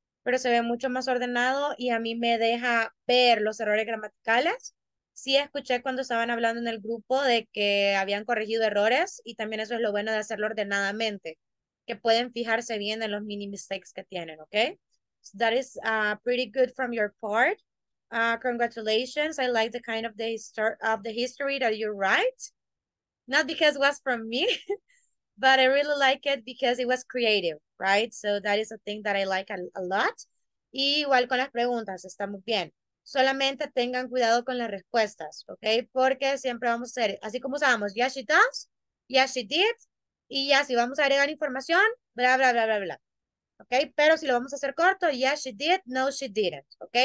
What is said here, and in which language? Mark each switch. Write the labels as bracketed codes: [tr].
[es] Pero se ve mucho más ordenado y a mí me deja ver los errores gramaticales. Sí escuché cuando estaban hablando en el grupo de que habían corregido errores y también eso es lo bueno de hacerlo ordenadamente, que pueden fijarse bien en los [en] mini mistakes [es] que tienen, ¿ok? [en] So that is pretty good from your part. Congratulations, I like the kind of the history that you write. Not because it was from me, but I really like it because it was creative, right? So that is a thing that I like a lot. [es] Y igual con las preguntas, está muy bien. Solamente tengan cuidado con las respuestas, ¿ok? Porque siempre vamos a hacer, así como usamos, [en] yes, she does, yes, she did, [es] y ya, si vamos a agregar información, bla, bla, bla, bla, bla. ¿Ok? Pero si lo vamos a hacer corto, [en] yes, she did, no, she didn't, [es] ¿ok?